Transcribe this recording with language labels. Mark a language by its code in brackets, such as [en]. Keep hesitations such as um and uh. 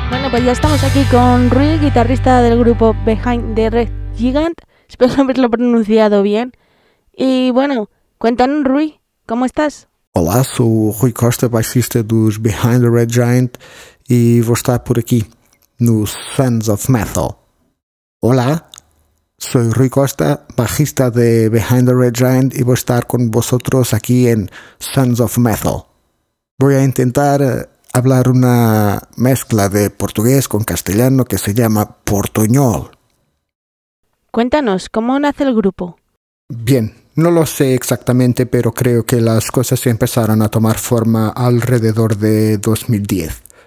[es] pues ya estamos aquí con Rui, guitarrista del grupo Behind the Red Gigant. Espero haberlo pronunciado bien. Y bueno, cuéntanos, Rui, ¿cómo estás? [pt] Olá, sou o Rui Costa, baixista dos Behind the Red Giant e vou estar por aqui no Sons of Metal. Olá, sou Rui Costa, bajista de Behind the Red Giant e vou estar com vosotros aqui em Sons of Metal. [es] Voy a intentar eh, hablar una mezcla de portugués con castellano que se llama portoñol. Cuéntanos, ¿cómo nace el grupo? Bien, no lo sé exactamente, pero creo que las cosas empezaron a tomar forma alrededor de 2010.